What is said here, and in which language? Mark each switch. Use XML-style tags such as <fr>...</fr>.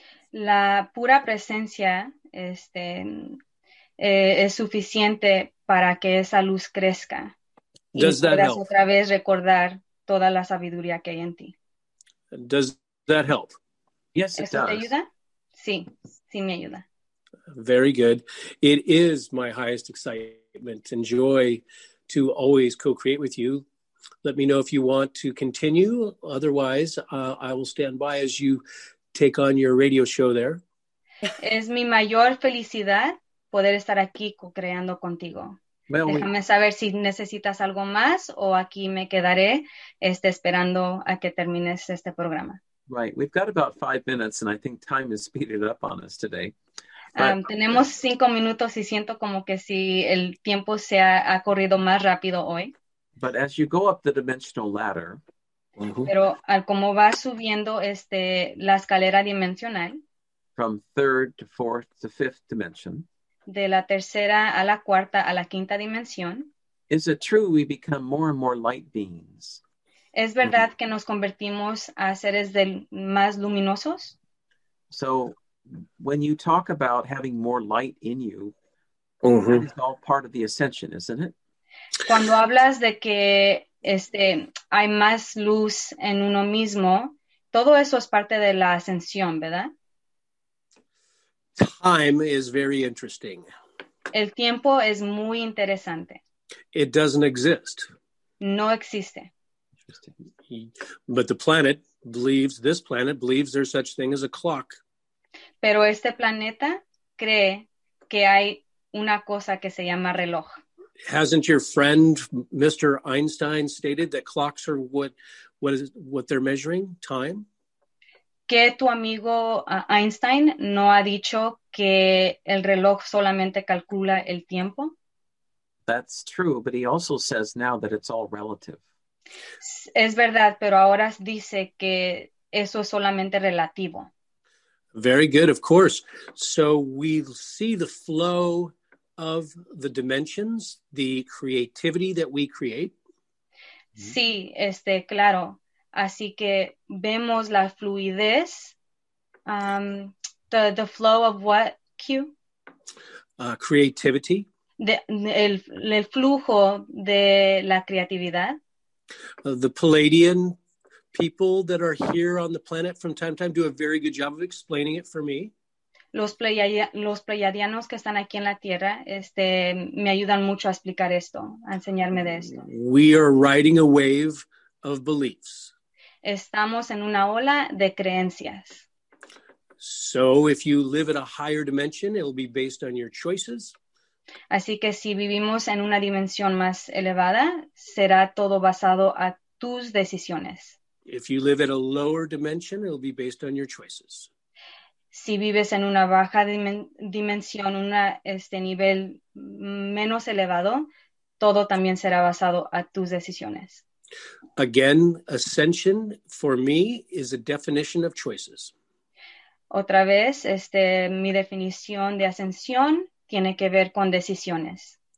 <es>La pura presencia es suficiente para que esa luz crezca.</es> <en>Does that help?</en> <es>Otra vez recordar toda la sabiduría que hay en ti.</es> <en>Does that help? Yes, it does.</en> <es>¿Eso te ayuda? Sí, sí me ayuda.</es> <en>Very good. It is my highest excitement and joy to always co-create with you. Let me know if you want to continue. Otherwise, I will stand by as you take on your radio show there.</en> <es>Es mi mayor felicidad poder estar aquí co-creando contigo. Well, déjame saber si necesitas algo más o aquí me quedaré esperando a que termines este programa.</es> <en>Right. We've got about 5 minutes and I think time has speeded up on us today.</en> <es>Tenemos 5 minutos y siento como que si el tiempo se ha corrido más rápido hoy.</es> <en>But as you go up the dimensional ladder.</en> <es>Pero como va subiendo la escalera dimensional.</es> <en>From third to fourth to fifth dimension.</en> <es>De la tercera a la cuarta a la quinta dimensión.</es> <en>Is it true we become more and more light beings?</en> <es>¿Es verdad que nos convertimos a seres más luminosos?</es> <en>So when you talk about having more light in you, that is all part of the ascension, isn't it?</en> <es>Cuando hablas de que hay más luz en uno mismo, todo eso es parte de la ascensión, ¿verdad?</es> <en>Time is very interesting.</en> <es>El tiempo es muy interesante.</es> <en>It doesn't exist.</en> <es>No existe.</es> <en>But the planet believes, this planet believes there's such thing as a clock.</en> <es>Pero este planeta cree que hay una cosa que se llama reloj.</es> <en>Hasn't your friend Mr. Einstein stated that clocks are what they're measuring? Time?</en> <es>¿Qué tu amigo Einstein no ha dicho que el reloj solamente calcula el tiempo?</es> <en>That's true, but he also says now that it's all relative.</en> <es>Es verdad, pero ahora dice que eso es solamente relativo.</es> <en>Very good, of course. So we see the flow of the dimensions, the creativity that we create.</en> <es>Sí, claro. Así que vemos la fluidez,</es> <en>the flow of what, Q? Creativity.</en> <es>El flujo de la creatividad.</es> <en>The Palladian people that are here on the planet from time to time do a very good job of explaining it for me.</en> <es>Los pleiadianos que están aquí en la Tierra me ayudan mucho a explicar esto, a enseñarme de esto.</es> <en>We are riding a wave of beliefs.</en> <es>Estamos en una ola de creencias.</es> <en>So if you live in a higher dimension, it'll be based on your choices.</en> <es>Así que si vivimos en una dimensión más elevada, será todo basado a tus decisiones.</es> <en>If you live in a lower dimension, it'll be based on your choices.</en> <es>si vives en una baja dimensión, una nivel menos elevado, todo también será basado a tus decisiones.</es> <en>Again, ascension for me is a definition of choices.</en> <es>Otra vez, mi definición de ascensión tiene que ver con decisiones.</es>